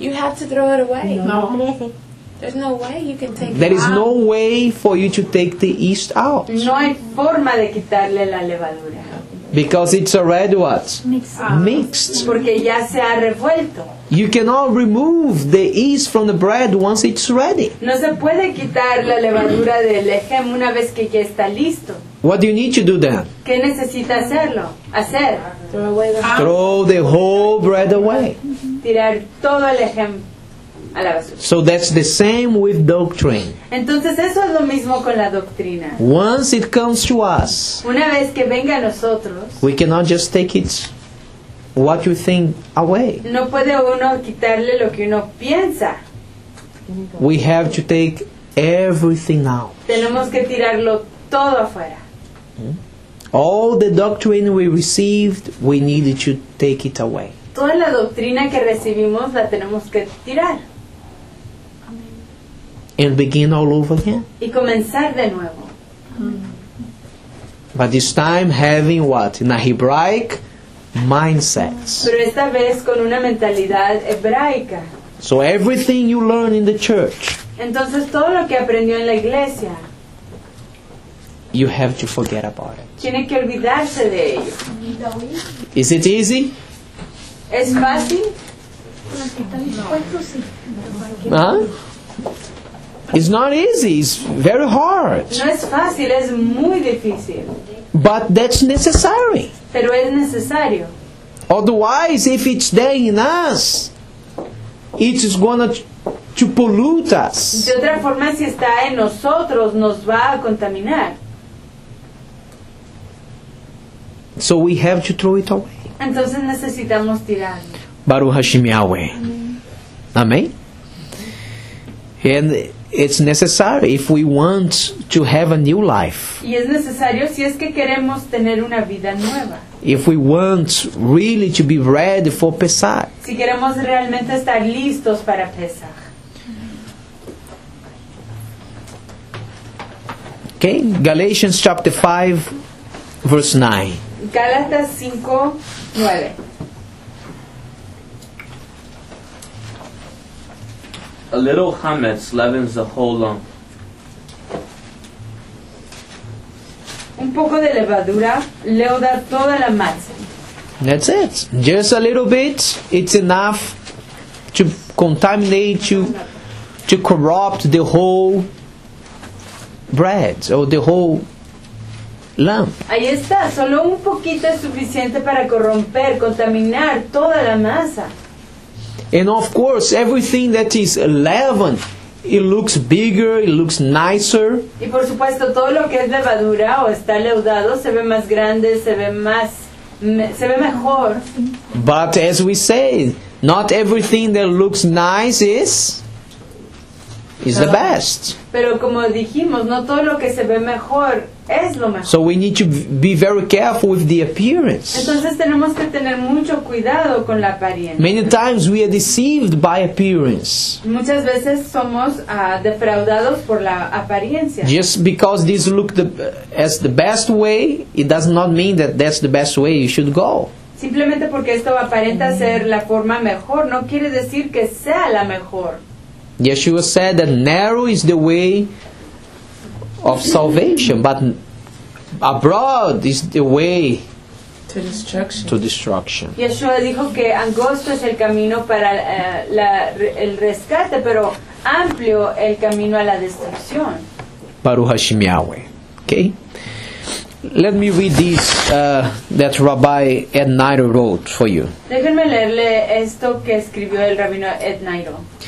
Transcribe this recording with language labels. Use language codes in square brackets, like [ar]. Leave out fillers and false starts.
[en] You have to throw it away. No. There's no way you can take it out. There is no way for you to take the yeast out. [es] No hay forma de quitarle la levadura. [en] Because it's already what? Mixed. [es] Porque ya se ha revuelto. [en] You cannot remove the yeast from the bread once it's ready. [es] No se puede quitar la levadura del lejem una vez que ya está listo. [en] What do you need to do then? [es] ¿Qué necesita hacerlo? Hacer. [en] Throw the whole bread away. [es] Tirar todo el lejem a la basura. [en] So that's the same with doctrine. [es] Entonces eso es lo mismo con la doctrina. [en] Once it comes to us, [es] una vez que venga a nosotros, [en] we cannot just take it what you think away. [es] No puede uno quitarle lo que uno piensa. [en] We have to take everything out. [es] Tenemos que tirarlo todo afuera. [en] All the doctrine we received, we needed to take it away. [es] Toda la doctrina que recibimos la tenemos que tirar. [en] And begin all over again. [es] Y comenzar de nuevo. [en] But this time having what? In a Hebraic mindset. [es] Pero esta vez con una mentalidad hebraica. [en] So everything you learn in the church. [es] Entonces todo lo que aprendió en la iglesia. [en] You have to forget about it. [es] Tiene que olvidarse de ello. [en] Is it easy? [es] ¿Es fácil? [en] No. Huh? It's not easy, it's very hard. [es] No es fácil, es muy difícil. [en] But that's necessary. [es] Pero es necesario. [en] Otherwise, if it's there in us, it's going to to pollute us. [es] De otra forma, si está en nosotros, nos va a contaminar. [en] So we have to throw it away. [es] Entonces necesitamos tirarlo. [he] Baruch Hashem Yahweh. Amen. [en] And it's necessary if we want to have a new life. [es] Y es necesario si es que queremos tener una vida nueva. [en] If we want really to be ready for Pesach. [es] Si queremos realmente estar listos para Pesach. [en] Okay, Galatians chapter 5, verse 9. [es] Galatas 5, 9. [en] A little chametz leavens the whole lump. [es] Un poco de levadura leuda toda la masa. [en] That's it. Just a little bit. It's enough to contaminate you, to corrupt the whole bread or the whole lump. [es] Ahí está. Solo un poquito es suficiente para corromper, contaminar toda la masa. [en] And of course, everything that is leaven, it looks bigger, it looks nicer. [es] Y por supuesto, todo lo que es levadura o está leudado, se ve más grande, se ve mejor. [en] But as we say, not everything that looks nice is the best. [es] Pero como dijimos, no todo lo que se ve mejor es lo mejor. [en] So we need to be very careful with the appearance. [es] Entonces tenemos que tener mucho cuidado con la apariencia. [en] Many times we are deceived by appearance. [es] Muchas veces somos defraudados por la apariencia. [en] Just because this looks as the best way, it does not mean that that's the best way you should go. [es] Simplemente porque esto aparenta ser la forma mejor, no quiere decir que sea la mejor. [en] Yeshua said that narrow is the way of salvation, but abroad is the way to destruction. [es] Yeshua dijo que angosto es el camino para el rescate, pero amplio el camino a la destrucción. [he] Baruch Hashem Yahweh. Okay. [en] Let me read this that Rabbi Ed Nairo wrote for you. [es] Déjenme leerle esto que escribió el rabino Ed Nairo.